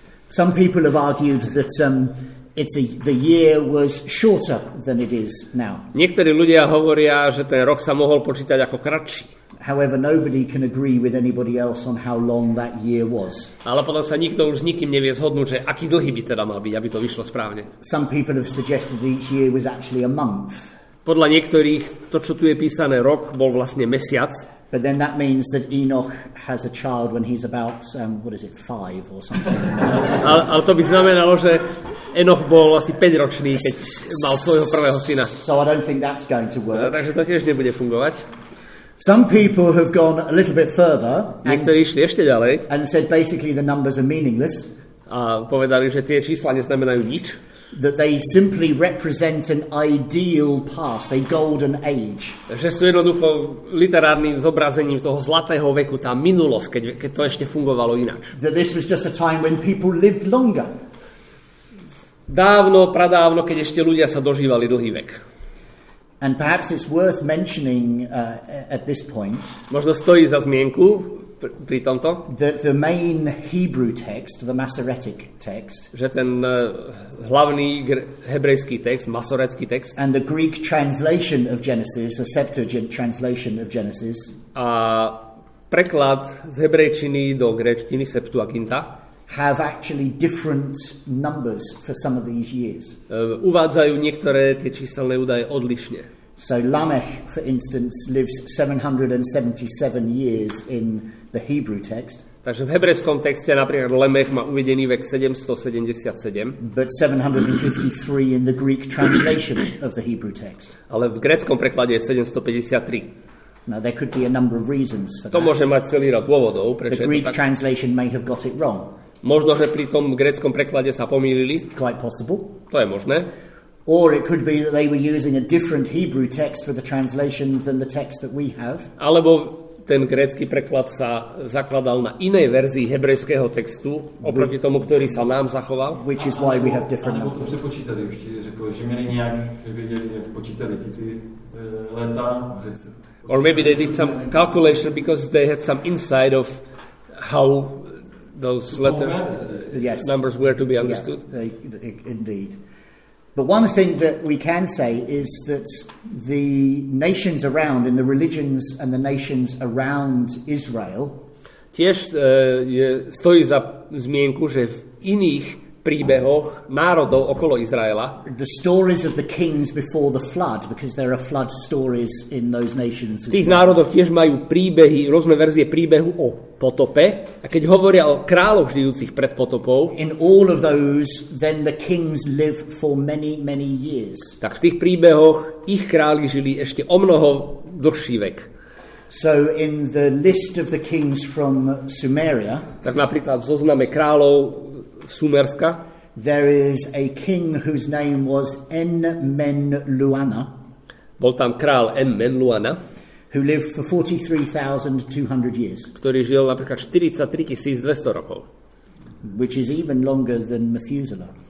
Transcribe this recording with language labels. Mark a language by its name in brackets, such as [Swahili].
[English] Some people have argued that it's the year was shorter than it is now. [Slovak] Niektorí ľudia hovoria, že ten rok sa mohol počítať ako kratší. [English] However, nobody can agree with anybody else on how long that year was. [Slovak] Ale potom sa nikto už s nikým nevie zhodnúť, že aký dlhý by teda mal byť, aby to vyšlo správne. [English] Some people have suggested each year was actually a month. [Slovak] Podľa niektorých to, čo tu je písané rok, bol vlastne mesiac. [English] But then that means that Enoch has a child when he's about what is it, 5 or something. [Slovak] Ale to by znamenalo, že Enoch bol asi 5 ročný, keď mal svojho prvého syna. [English] So I don't think that's going to work. [Slovak] Takže to tiež nebude fungovať. [English] Some people have gone a little bit further. [Slovak] Niektorí išli ešte ďalej. [English] And said basically the numbers are meaningless. [Slovak] A povedali, že tie čísla neznamenajú nič. [English] That they simply represent an ideal past, a golden age. [Slovak] Že sú jednoducho literárnym zobrazením toho zlatého veku, tá minulosť, keď to ešte fungovalo inač. [English] That this was just a time when people lived longer. [Slovak] Dávno, pradávno, keď ešte ľudia sa dožívali dlhý vek. [English] And perhaps it's worth mentioning at this point. [Slovak] Možno stojí za zmienku pri tomto. [English] That the main Hebrew text, the Masoretic text. [Slovak] Že ten hlavný hebrejský text, masoretský text. [English] And the Greek translation of Genesis, the Septuagint translation of Genesis. [Slovak] A preklad z hebrejčiny do gréčtiny Septuaginta. [English] Have actually different numbers for some of these years. [Slovak] Uvádzajú niektoré tie číselné údaje odlišne. [English] So Lamech, for instance, lives 777 years in the Hebrew text. [Slovak] Takže v hebrejskom texte napríklad Lamech má uvedený vek 777. [English] But 753 in the Greek translation of the Hebrew text. [Slovak] Ale v gréckom preklade je 753. [English] Now there could be a number of reasons for [Slovak] to To môže mať celý rad dôvodov, prečo je to tak. [English] The Greek translation may have got it wrong. [Slovak] Možno, že pri tom gréckom preklade sa pomýlili. [English] Quite possible. [Slovak] To je možné. [English] Or it could be that they were using a different Hebrew text for the translation than the text that we have. [Slovak] Alebo ten grécky preklad sa zakladal na inej verzii hebrejského textu oproti tomu, ktorý sa nám zachoval. [English] Which is why we have different numbers. [Slovak] Alebo to prepočítali, [Czech] už ti řekl, že měli nějak, že věděli, počítali ty leta. [English] Or maybe they did some calculation because they had some insight of how those letters, yes, numbers were to be understood. Yeah, indeed. But one thing that we can say is that the nations around and the religions and the nations around Israel [Slovak] tiež stojí za zmienku, že v iných príbehoch národov okolo Izraela [English] the stories of the kings before the flood, because there are flood stories in those nations. [Slovak] Tých národov tiež majú príbehy, rôzne verzie príbehu o potope, a keď hovoria o kráľoch žijúcich pred potopou, [English] in all of those then the kings live for many many years. [Slovak] Tak v tých príbehoch ich králi žili ešte o mnoho dlhší vek. [English] So in the list of the kings from Sumeria, [Slovak] tak napríklad zozname kráľov Sumerska, [English] there is a king whose name was Enmenluanna. [Slovak] Bol tam král Enmenluanna, [English] who lived for 43,200 years. [Slovak] Ktorý žil napríklad 43,200 rokov. [English] Which is even longer than Methuselah.